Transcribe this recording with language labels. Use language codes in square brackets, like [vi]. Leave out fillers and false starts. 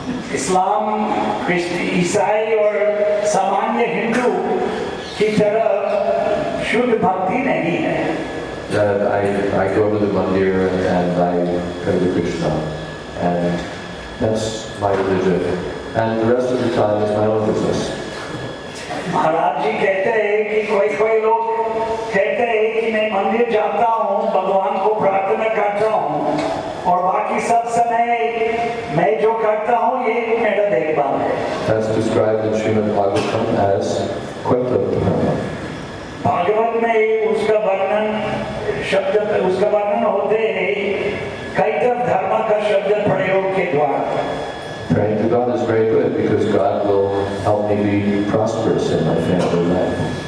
[hi] Islam, Isai or Samanya Hindu ki tarah shuddh bhakti nahi hai. [en] That I go to the mandir and I pray to Krishna and that's my religion and the rest of the time is my own business. [hi] Maharaj ji कहते हैं कि कोई कोई लोग कहते हैं कि मैं मंदिर जाता हूँ, भगवान को प्रार्थना करता हूँ और बाकी सब समय मैं जो करता हूँ ये मेरा देखभाल है। [en] That's described in Srimad Bhagavatam as Kaitavya. [hi] Bhagavat में उसका वर्णन शब्द उसका वर्णन होते हैं कैतव धर्म का शब्द प्रयोग के द्वारा। [en] Praying to God is very good because God will help me be prosperous in my family life.